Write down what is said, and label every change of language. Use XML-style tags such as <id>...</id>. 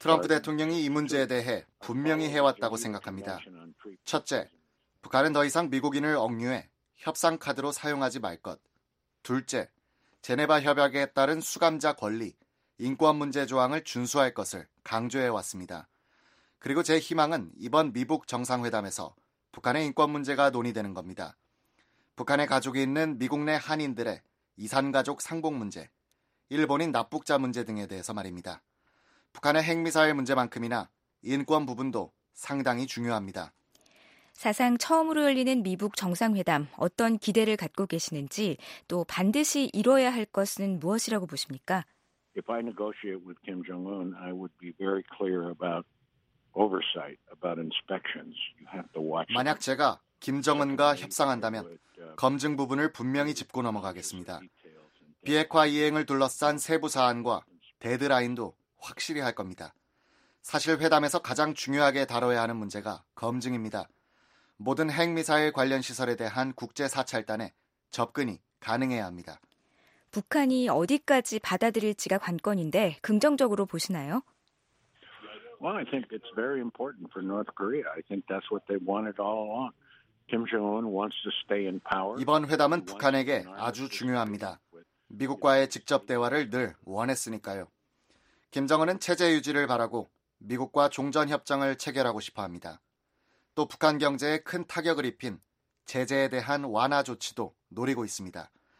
<ko>트럼프 대통령이 이 문제에 대해 분명히 해왔다고 생각합니다. 첫째, 북한은 더 이상 미국인을 억류해 협상 카드로 사용하지 말 것. 둘째, 제네바 협약에 따른 수감자 권리, 인권 문제 조항을 준수할 것을 강조해왔습니다. 그리고 제 희망은 이번 미북 정상회담에서 북한의 인권 문제가 논의되는 겁니다. 북한의 가족이 있는 미국 내 한인들의 이산가족 상봉 문제, 일본인 납북자 문제 등에 대해서 말입니다. 북한의 핵미사일 문제만큼이나 인권 부분도 상당히 중요합니다. 사상 처음으로 열리는 미북 정상회담, 어떤 기대를 갖고 계시는지, 또 반드시 이뤄야 할 것은 무엇이라고 보십니까?</ko> <en>If I negotiate with Kim Jong-un, I would be very clear about oversight, about inspections. You have to watch.</en> <ko>만약 제가 김정은과 협상한다면 검증 부분을 분명히 짚고 넘어가겠습니다. 비핵화 이행을 둘러싼 세부 사안과 데드라인도 확실히 할 겁니다. 사실 회담에서 가장 중요하게 다뤄야 하는 문제가 검증입니다. 모든 핵미사일 관련 시설에 대한 국제 사찰단에 접근이 가능해야 합니다. 북한이 어디까지 받아들일지가 관건인데 긍정적으로 보시나요?</ko> <en>Well, I think it's very important for North Korea. I think that's what they wanted all along. Kim Jong-un wants to stay in power.</en> <ko>이번 회담은 북한에게 아주 중요합니다. 미국과의 직접 대화를 늘 원했으니까요. 김정은은 체제 유지를 바라고 미국과 종전 협정을 체결하고 싶어 합니다. 또 북한 경제에 큰 타격을 입힌 제재에 대한 완화 조치도 노리고 있습니다.</ko>